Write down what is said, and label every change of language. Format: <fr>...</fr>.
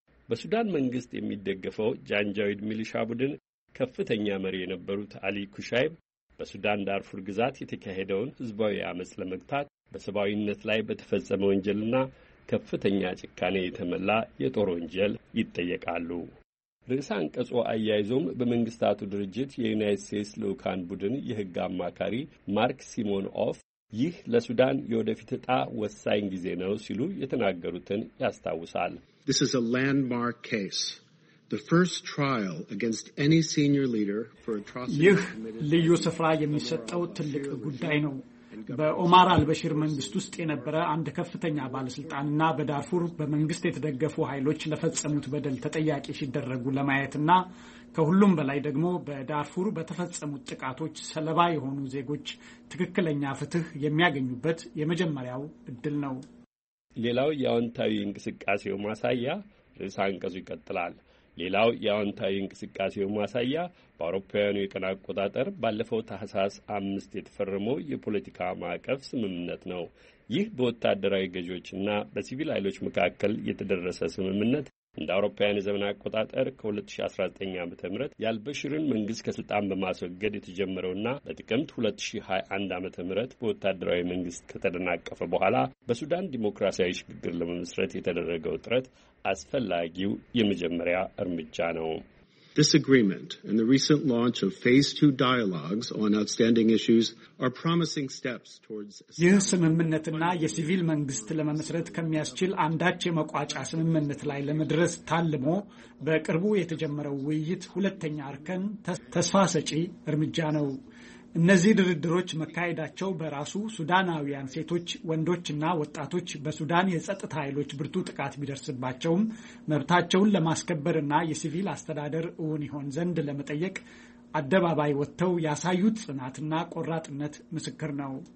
<am>በሱዳን መንግስት የሚደገፈው ጃንጃዊድ ሚሊሻ ቡድን ከፍተኛ መሪ የነበሩት አሊ ኩሻይብ በሱዳን ዳርፉር ግዛት የተካሄደውን ህዝባዊ አመጽ ለመግታት በሰብአዊነት ላይ በተፈጸመ ወንጀልና ከፍተኛ ጭካኔ የተመላ የጦር ወንጀል ይጠየቃሉ። ርዕሰ አንቀጹ አያይዞም በመንግስታቱ ድርጅት የዩናይትድ ስቴትስ ልዑካን ቡድን የህግ አማካሪ ማርክ ሲሞን ኦፍ ይህ ለሱዳን የወደፊት ዕጣ ወሳኝ ጊዜ ነው ሲሉ የተናገሩትን ያስታውሳል።</am> <en>This is a landmark case. The first trial against any senior leader for atrocity committed.</en> <am>ይህ ለዩሰፍራ የሚሰጠው ትልቅ ጉዳይ ነው። በኦማር አልበሽር መንግስት ውስጥ የነበረ አንድ ከፍተኛ ባለስልጣንና በዳርፉር በመንግስት የተደገፉ ኃይሎች ለፈጸሙት በደል ተጠያቂ ሲደረጉ ለማየትና ከሁሉም በላይ ደግሞ በዳርፉር በተፈጸሙት ጥቃቶች ሰለባ የሆኑ ዜጎች ትክክለኛ ፍትህ የሚያገኙበት የመጀመሪያው እድል ነው። ሌላው ያውንታዊ እንቅስቃሴው ማሳያ ርዕሰ አንቀጹ ይከተላል። ሌላው ያውንታዊ እንቅስቃሴው ማሳያ በአውሮፓውያኑ የቀን አቆጣጠር ባለፈው ታህሳስ 5 የተፈረመው የፖለቲካ ማዕቀፍ ስምምነት ነው። ይህ በወታደራዊ ገዢዎችና በሲቪል ኃይሎች መካከል የተደረሰ ስምምነት እንደ አውሮፓውያን የዘመን አቆጣጠር ከ2019 ዓ.ም ያልበሽርን መንግስት ከስልጣን በማስወገድ የተጀመረውና በጥቅምት 2021 ዓ.ም በወታደራዊ መንግስት ከተደናቀፈ በኋላ በሱዳን ዲሞክራሲያዊ ሽግግር ለመመስረት የተደረገው ጥረት አስፈላጊው የመጀመሪያ እርምጃ ነው።</am> <en>This agreement and the recent launch of phase 2 dialogues on outstanding issues are promising steps towards</en> <am>የስምምነትና የሲቪል መንግስት ለመመስረት ከመያስችል አንዳች የመቋጫ ስምምነት ላይ ለመድረስ ታልሞ በቅርቡ የተጀመረው ውይይት ሁለተኛ አርከን ተስፋ ሰጪ እርምጃ ነው። እነዚህ ድርድሮች መካሄዳቸው በራሱ ሱዳናውያን ሴቶች፣ ወንዶችና ወጣቶች በሱዳን የጸጥታ ኃይሎች ብርቱ ጥቃት ቢደርስባቸውም መብታቸውን ለማስከበርና የሲቪል አስተዳደር እውን ይሆን ዘንድ ለመጠየቅ አደባባይ ወጥተው ያሳዩት ጽናትና ቆራጥነት ምስክር ነው።</am>